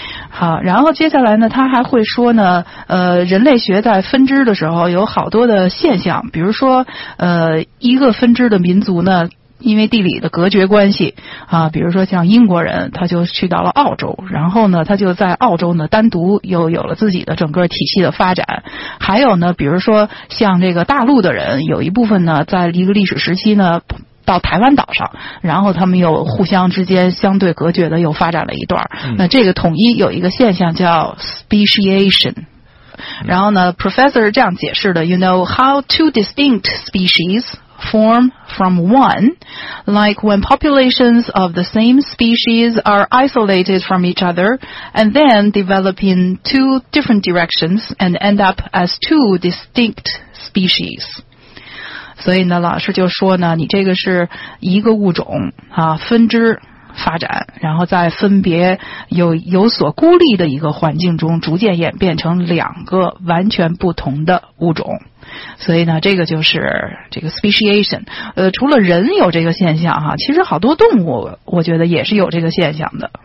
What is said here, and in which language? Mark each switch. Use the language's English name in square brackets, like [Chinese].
[Chinese] 好，然后接下来呢，他还会说呢，人类学在分支的时候有好多的现象，比如说，一个分支的民族呢，因为地理的隔绝关系啊，比如说像英国人，他就去到了澳洲，然后呢，他就在澳洲呢单独又有了自己的整个体系的发展。还有呢，比如说像这个大陆的人，有一部分呢，在一个历史时期呢，到台湾岛上，然后他们又互相之间相对隔绝的又发展了一段。那这个统一有一个现象叫 speciation。然后呢 [English] ,professor 这样解释的 ,you know, how two distinct species form from one, like when populations of the same species are isolated from each other, and then develop in two different directions and end up as two distinct species. [Chinese] 所以呢老师就说呢，你这个是一个物种啊分支发展，然后在分别有所孤立的一个环境中逐渐演变成两个完全不同的物种。所以呢这个就是这个 speciation。除了人有这个现象啊，其实好多动物我觉得也是有这个现象的。